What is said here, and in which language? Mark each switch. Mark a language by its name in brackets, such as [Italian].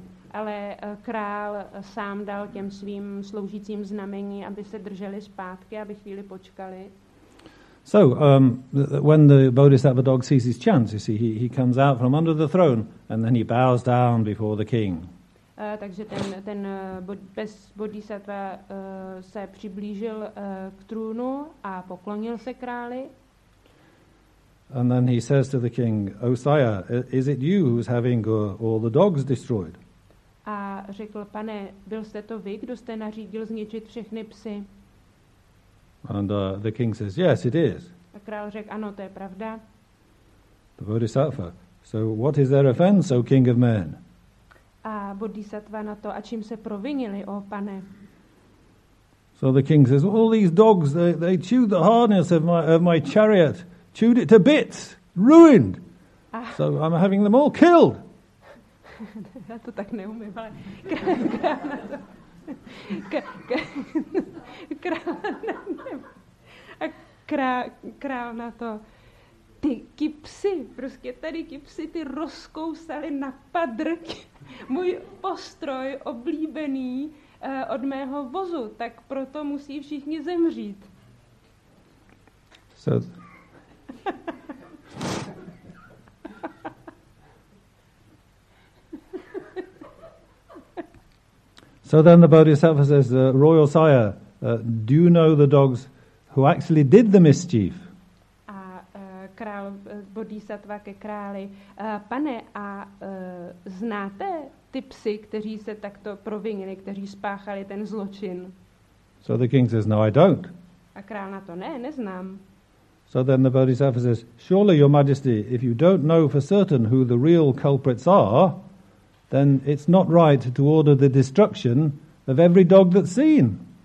[Czech] ale král sám dal těm svým sloužícím znamení, aby se drželi zpátky, aby chvíli počkali. [English] So when the Bodhisattva dog sees his chance, you see, he comes out from under the throne and then he bows down before the king. [Czech] Takže ten pes Bodhisattva se přiblížil k trůnu a poklonil se králi. [English] And then he says to the king, "O sire, is it you who's having all the dogs destroyed?" [Czech] A řekl, pane, byl jste to vy, kdo jste nařídil zničit všechny psy? [English] And the king says, "Yes, it is." [Czech] A král řekl, ano, to je pravda. [English] The Bodhisattva, "So what is their offense, O king of men?" [Czech] A Bodhisattva na to, a čím se provinili, o pane? [English] So the king says, "All these dogs, they chewed the harness of my chariot, chewed it to bits, ruined. So I'm having them all killed." [Czech] Já to tak neumím, ale král na to, ty kipsy, prostě tady kipsy, ty rozkousali na padrky můj postroj oblíbený od mého vozu, tak proto musí všichni zemřít. [English] So, so then the Bodhisattva says, "Royal sire, do you know the dogs who actually did the mischief?" [Czech] A král Bodhisattva ke králi, pane, a znáte ty psy, kteří se takto provinili, kteří spáchali ten zločin? [English] So the king says, "No, I don't." [Czech] A král na to, ne, neznám. [English] So then the Bodhisattva says, "Surely, your majesty, if you don't know for certain who the real culprits are, then it's not right to order the destruction of every dog that's seen."